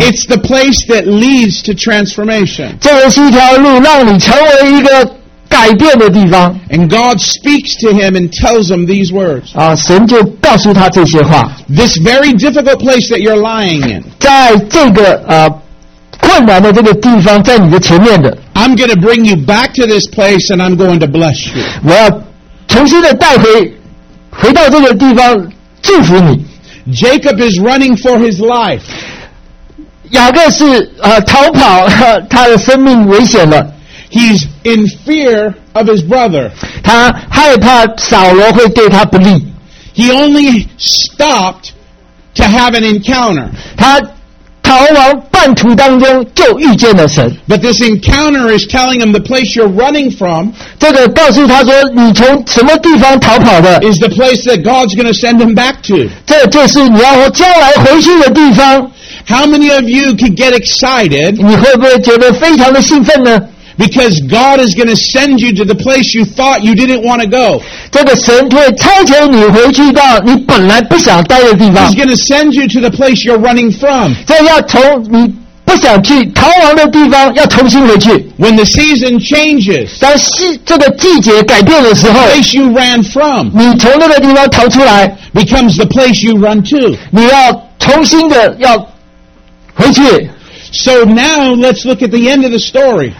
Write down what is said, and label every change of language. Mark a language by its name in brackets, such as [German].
[English] it's the place that leads to transformation. [Chinese] 这个是一条路让你成为一个改变的地方, [English] and God speaks to him and tells him these words. [Chinese] 啊, 神就告诉他这些话, [English] this very difficult place that you're lying in, [Chinese] 在这个困难的这个地方在你的前面的, [English] I'm going to bring you back to this place and I'm going to bless you. [Chinese] 我要重新的带回到这个地方祝福你。 [English] Jacob is running for his life. [Chinese] 雅各是逃跑，他的生命危险了。 [English] He's in fear of his brother. [Chinese] 他害怕扫罗会对他不利。 [English] He only stopped to have an encounter. [Chinese] 他逃亡半途当中就遇见了神。 [English] But this encounter is telling him the place you're running from, [Chinese] 这个告诉他说你从什么地方逃跑的, [English] is the place that God's going to send him back to. [Chinese] 这就是你要将来回去的地方。 [English] How many of you could get excited? [Chinese] 你会不会觉得非常的兴奋呢? [English] Because God is going to send you to the place you thought you didn't want to go. [Chinese] 这个神会差遣你回去到你本来不想待的地方。 [English] He's going to send you to the place you're running from. [Chinese] 这要从你不想去逃亡的地方要重新回去。 [English] When the season changes, [Chinese] 当这个季节改变的时候, [English] the place you ran from, [Chinese] 你从那个地方逃出来, [English] becomes the place you run to. [Chinese] 你要重新的要回去。 [English] So now let's look at the end of the story.